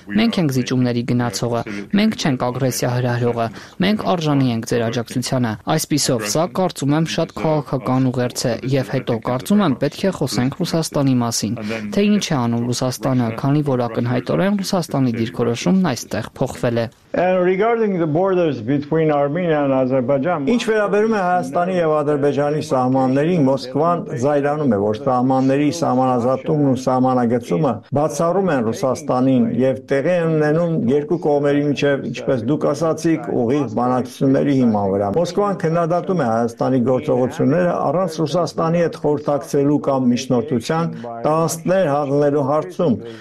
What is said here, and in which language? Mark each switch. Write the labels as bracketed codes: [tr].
[hy] մենք ենք զիջումների գնացողը, մենք չենք ագրեսիա հրահրողը, մենք արժանի ենք ձեր աջակցությանը։ Այսպիսով, սա կարծում եմ շատ քաղաքական կան ուղերձ է, և հետո կարծում եմ պետք է խոսենք Ռուսաստանի մասին, թե ինչ է անում Ռուսաստանը, քանի որ ակնհայտորեն Ռուսաստանի դիրքորոշումն այստեղ փոխվել է։ [en] And regarding the borders between Armenia and Azerbaijan. [hy] Ինչ վերաբերում է Հայաստանի եւ Ադրբեջանի սահմաններին, Մոսկվան զայրանում է, որ սահմանների սահմանազատումն ու սահմանագծումը բացառում են Ռուսաստանին եւ տեղի են ունենում երկու կողմերի միջև, ինչպես դուք ասացիք, ուղիղ բանակցությունների հիման վրա։ Մոսկվան քննադատում է Հայաստանի գործողությունները առանց Ռուսաստանի հետ խորհրդակցելու կամ միջնորդության տասներ հանձնելու հարցում։